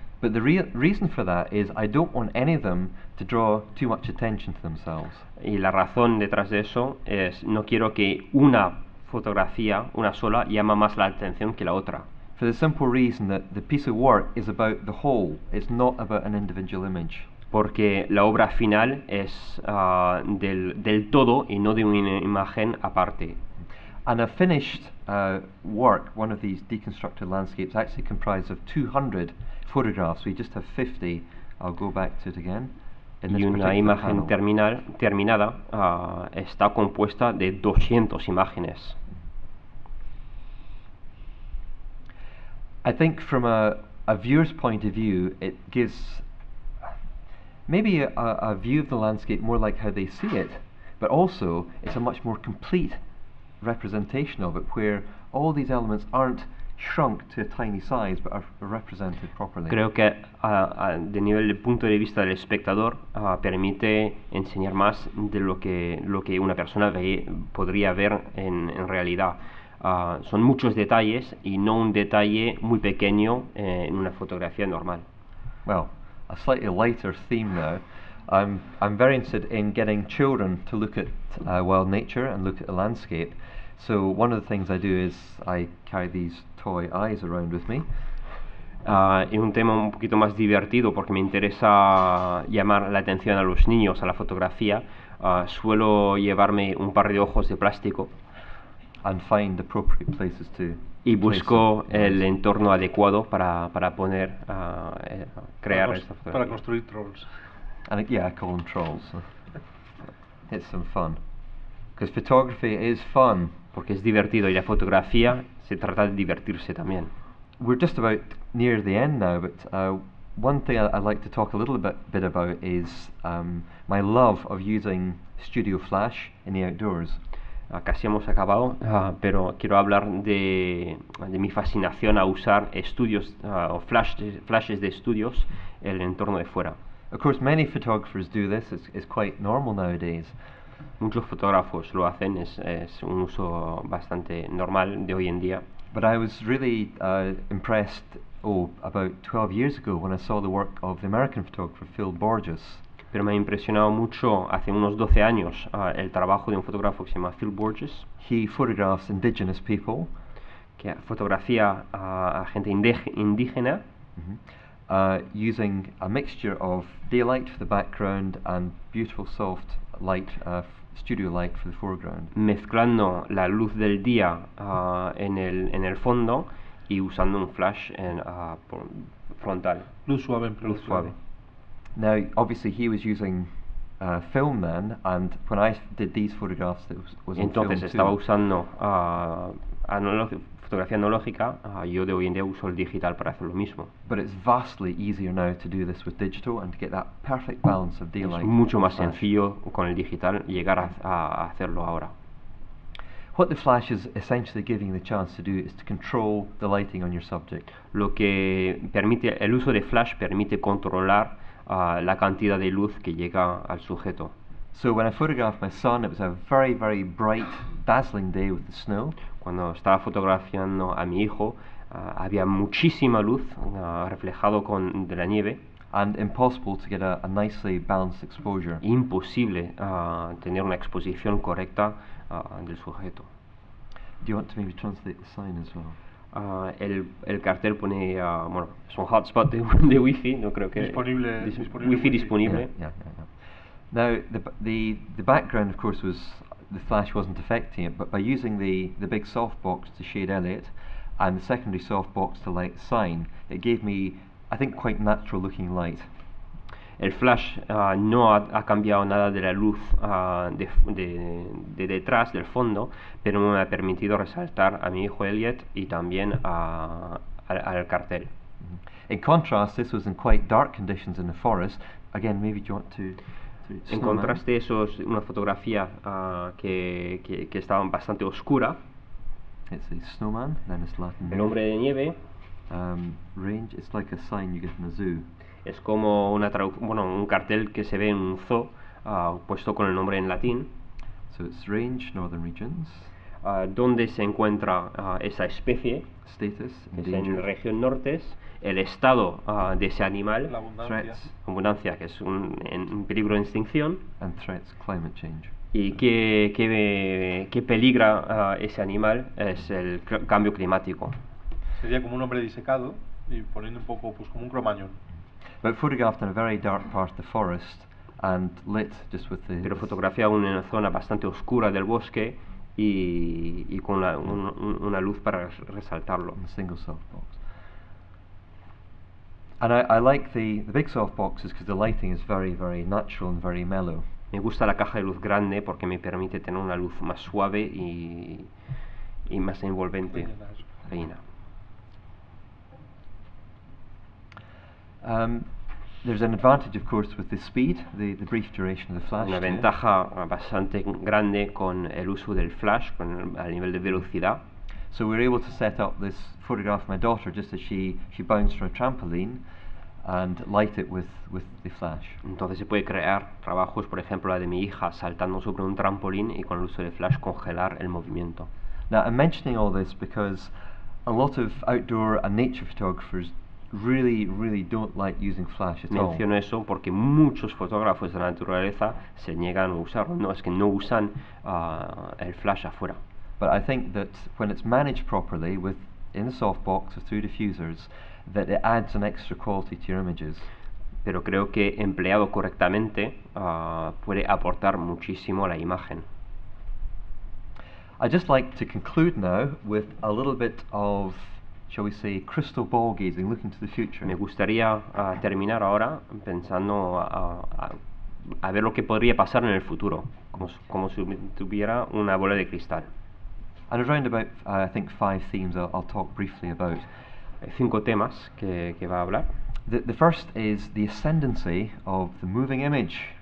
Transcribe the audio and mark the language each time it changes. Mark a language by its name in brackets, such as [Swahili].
[English] But the reason for that is I don't want any of them to draw too much attention to themselves. [Spanish] Y la razón detrás de eso es no quiero que una fotografía, una sola, llama más la atención que la otra. [English] For the simple reason that the piece of work is about the whole, it's not about an individual image. [Spanish] Porque la obra final es del todo y no de una imagen aparte. [English] And a finished work, one of these deconstructed landscapes, actually comprised of 200 photographs. We just have 50. I'll go back to it again. [Spanish] Y una imagen terminada está compuesta de 200 imágenes. [English] I think from a viewer's point of view, it gives maybe a view of the landscape more like how they see it, but also it's a much more complete representation of it, where all these elements aren't shrunk to a tiny size, but are represented properly. [Spanish] Creo que de nivel de punto de vista del espectador permite enseñar más de lo que una persona podría ver en realidad. Son muchos detalles y no un detalle muy pequeño en una fotografía normal. [English] Well, a slightly lighter theme now. I'm very interested in getting children to look at wild nature and look at the landscape. So one of the things I do is I carry these toy eyes around with me. [Spanish] Es un tema un poquito más divertido porque me interesa llamar la atención a los niños a la fotografía. Suelo llevarme un par de ojos de plástico. [English] And find appropriate places to. [Spanish] Y busco el entorno adecuado para poner crear esta fotografía. Para construir trolls. [English] And yeah, I call them trolls. It's some fun. Because photography is fun. [Spanish] Porque es divertido y la fotografía se trata de divertirse también. [English] We're just about near the end now, but one thing I'd like to talk a little bit about is my love of using studio flash in the outdoors. [Spanish] casi hemos acabado, pero quiero hablar de mi fascinación a usar estudios o flashes de estudios en el entorno de fuera. [English] Of course, many photographers do this. It's quite normal nowadays. [Spanish] Muchos fotógrafos lo hacen. Es un uso bastante normal de hoy en día. [English] But I was really impressed about 12 years ago when I saw the work of the American photographer Phil Borges. [Spanish] Pero me ha impresionado mucho hace unos 12 años el trabajo de un fotógrafo que se llama Phil Borges. [English] He photographs indigenous people. [Spanish] Que fotografía a gente indígena. Mm-hmm. [English] Using a mixture of daylight for the background and beautiful soft light, studio light for the foreground. [Spanish] Mezclando la luz del día en el fondo y usando un flash frontal. Luz suave, luz suave. [English] Now, obviously, he was using film then, and when I did these photographs, it was [Spanish] entonces [English] film [Spanish] estaba [English] too. [Spanish] Usando fotografía analógica. Yo de hoy en día uso el digital para hacer lo mismo. [English] But it's vastly easier now to do this with digital and to get that perfect balance of daylight. [Spanish] Es mucho más sencillo con el digital llegar a hacerlo ahora. [English] What the flash is essentially giving the chance to do is to control the lighting on your subject. [Spanish] Lo que permite el uso de flash permite controlar la cantidad de luz que llega al sujeto. [English] So when I photographed my son, it was a very, very bright, dazzling day with the snow. [Spanish] Cuando estaba fotografiando a mi hijo, había muchísima luz reflejado con de la nieve. [English] And impossible to get a nicely balanced exposure. [Spanish] Imposible tener una exposición correcta del sujeto. [English] Do you want to maybe translate the sign as well? [Spanish] El cartel pone bueno, es un hotspot de wifi, no creo que disponible, wifi disponible. [English] Now the background of course was the flash wasn't affecting it, but by using the big softbox to shade Elliot and the secondary softbox to light the sign, it gave me I think quite natural looking light. [Spanish] El flash no ha cambiado nada de la luz de detrás, del fondo, pero me ha permitido resaltar a mi hijo Elliot y también al cartel. [English] In contrast, this was in quite dark conditions in the forest. Again, maybe you want to... [Spanish] En contraste, eso es una fotografía que estaba bastante oscura. [English] It's a snowman, then it's Latin. [Spanish] El hombre de nieve. [English] Range, it's like a sign you get in a zoo. [Spanish] Es como una un cartel que se ve en un zoo, puesto con el nombre en latín. [English] So it's range, northern regions. [Spanish] ¿Dónde se encuentra esa especie? [English] Status, [Spanish] es en la región norte. El estado de ese animal. La abundancia. [English] Threats. [Spanish] Abundancia, que es un peligro de extinción. [English] And threats, climate change. [Spanish] Y qué peligra ese animal es el cambio climático. Sería como un hombre disecado y poniendo un poco pues como un cromañón. [English] But photographed in a very dark part of the forest and lit just with the... [Spanish] Pero fotografiado en una zona bastante oscura del bosque y con una luz para resaltarlo. [English] A single softbox. And I like the big softboxes because the lighting is very, very natural and very mellow. [Spanish] Me gusta la caja de luz grande porque me permite tener una luz más suave y más envolvente. Reina. [English] There's an advantage, of course, with the speed, the brief duration of the flash. [Spanish] Una ventaja bastante grande con el uso del flash, con el nivel de velocidad. [English] So we were able to set up this photograph of my daughter just as she bounced from a trampoline and light it with the flash. [Spanish] Entonces se puede crear trabajos, por ejemplo, la de mi hija saltando sobre un trampolín y con el uso del flash congelar el movimiento. [English] Now, I'm mentioning all this because a lot of outdoor and nature photographers really, really don't like using flash at all. [Spanish] Menciono eso porque muchos fotógrafos de la naturaleza se niegan a usarlo. No, es que no usan el flash afuera. [English] But I think that when it's managed properly, with in the softbox or through diffusers, that it adds an extra quality to your images. [Spanish] Pero creo que empleado correctamente puede aportar muchísimo a la imagen. [English] I'd just like to conclude now with a little bit of, shall we say, crystal ball gazing, looking to the future. [Spanish] Me gustaría terminar ahora pensando a ver lo que podría pasar en el futuro, como si tuviera una bola de cristal. [English] And around about, I think, five themes I'll talk briefly about. [Spanish] Cinco temas que va a hablar. [English] The first is the ascendancy of the moving image.